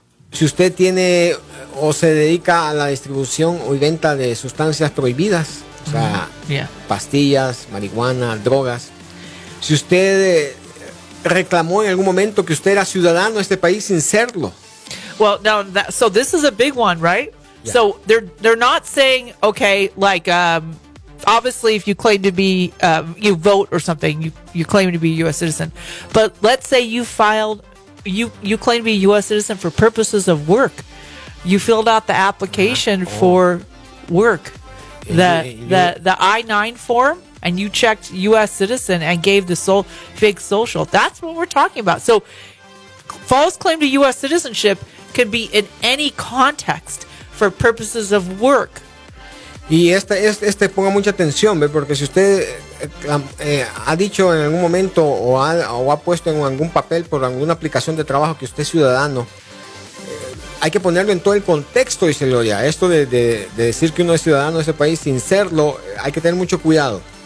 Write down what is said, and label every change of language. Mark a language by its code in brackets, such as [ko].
[es] Si usted tiene o se dedica a la distribución o venta de sustancias prohibidas, o sea, pastillas, marihuana, drogas. Si usted reclamó en algún momento que usted era ciudadano de este país sin serlo. [en] Well, now that, so this is a big one, right? Yeah. So they're not saying, okay, like obviously if you claim to be you vote or something, you claim to be a U.S. citizen. But let's say you filed you claim to be a U.S. citizen for purposes of work. You filled out the application for work. The I-9 form. And you checked U.S. citizen and gave the fake social. That's what we're talking about. So false claim to U.S. citizenship could be in any context for purposes of work. [es] Y este ponga mucha atención, ¿ve? Porque si usted ha dicho en algún momento o ha puesto en algún papel por alguna aplicación de trabajo que usted es ciudadano, hay que ponerlo en todo el contexto, dice Gloria. Esto de decir que uno es ciudadano de ese país sin serlo, hay que tener mucho cuidado.